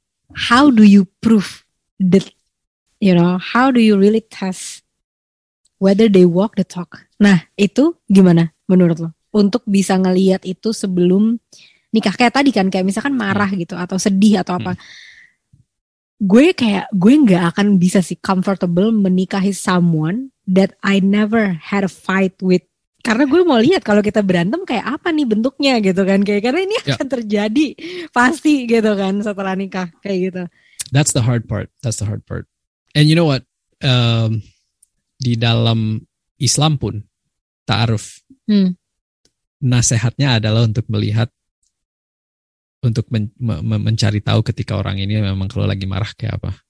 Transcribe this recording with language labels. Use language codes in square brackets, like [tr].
[en] How do you prove that, you know, how do you really test whether they walk the talk? [id] Nah, itu gimana menurut lo? Untuk bisa ngelihat itu sebelum nikah, kayak tadi kan, kayak misalkan marah gitu atau sedih atau apa. Gue gak akan bisa sih [en] comfortable menikahi someone that I never had a fight with. [id] Karena gue mau lihat kalau kita berantem kayak apa nih bentuknya gitu kan. Kayak karena ini akan terjadi pasti gitu kan setelah nikah kayak gitu. [en] That's the hard part. That's the hard part. And you know what? [id] Di dalam Islam pun ta'aruf, nasehatnya adalah untuk melihat, untuk mencari tahu ketika orang ini memang kalau lagi marah kayak apa.